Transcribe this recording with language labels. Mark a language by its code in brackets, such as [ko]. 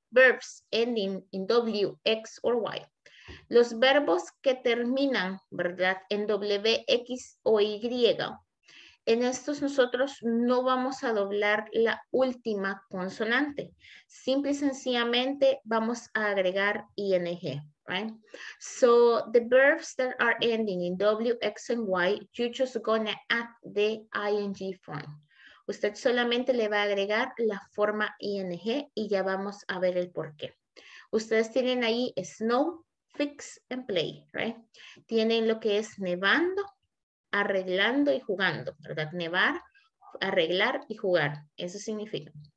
[en] Verbs ending in W, X or Y. [es] Los verbos que terminan, ¿verdad? En W, X o Y. En estos nosotros no vamos a doblar la última consonante. Simple y sencillamente vamos a agregar ing, right? [en] So the verbs that are ending in W, X and Y, you're just gonna add the ing form. [es] Usted solamente le va a agregar la forma ing y ya vamos a ver el por qué. Ustedes tienen ahí snow, fix and play, right? Tienen lo que es nevando, arreglando y jugando, ¿verdad? Nevar, arreglar y jugar. Eso significa.